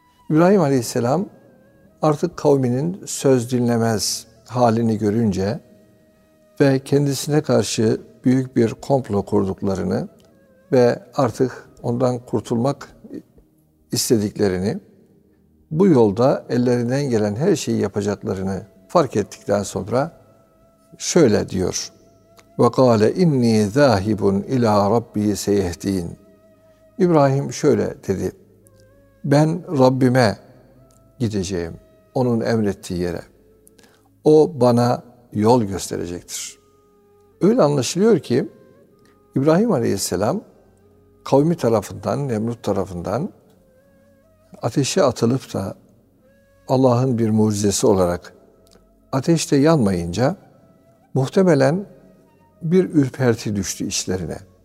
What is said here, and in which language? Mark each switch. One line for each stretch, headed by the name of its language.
Turkish: İbrahim Aleyhisselam artık kavminin söz dinlemez halini görünce ve kendisine karşı büyük bir komplo kurduklarını ve artık ondan kurtulmak istediklerini, bu yolda ellerinden gelen her şeyi yapacaklarını fark ettikten sonra şöyle diyor.
Arabic: وَقَالَ اِنِّي ذَاهِبٌ اِلَى رَبِّي سَيَهْد۪ينَ
Turkish: İbrahim şöyle dedi. Ben Rabbime gideceğim, onun emrettiği yere. O bana yol gösterecektir. Öyle anlaşılıyor ki İbrahim Aleyhisselam kavmi tarafından, Nemrut tarafından ateşe atılıp da Allah'ın bir mucizesi olarak ateşte yanmayınca muhtemelen bir ürperti düştü içlerine.